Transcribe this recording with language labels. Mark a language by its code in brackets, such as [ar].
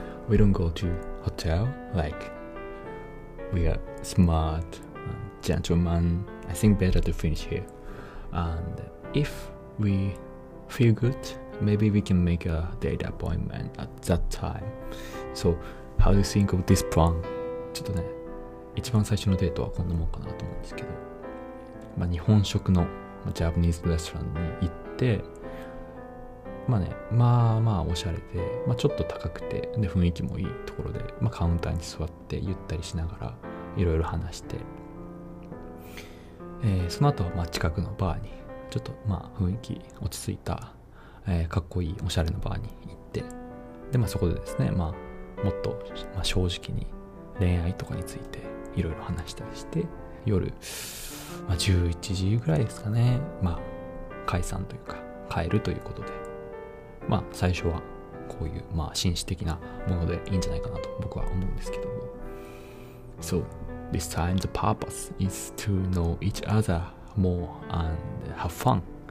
[en] We don't go to hotel, like we are smart and gentlemen. I think better to finish here. And if we feel good, maybe we can make a date appointment at that time. So, how do you think of this plan? [ja] ちょっとね、一番最初のデートはこんなもんかなと思うんですけど、まあ、日本食の、まあ、 [en] Japanese restaurant [ja] に行ってまあね、まあまあおしゃれで、まあちょっと高くて、で雰囲気もいいところで、まあカウンターに座ってゆったりしながらいろいろ話して、その後はまあ近くのバーに、ちょっとまあ雰囲気落ち着いた、かっこいいおしゃれなバーに行って、でまあそこでですね、まあもっと、まあ、正直に恋愛とかについていろいろ話したりして、夜、まあ11時ぐらいですかね、まあ解散というか帰るということで、まあ最初はこういうまあ紳士的なものでいいんじゃないかなと僕は思うんですけども。 [en] So, this time the purpose is to know each other more and have fun.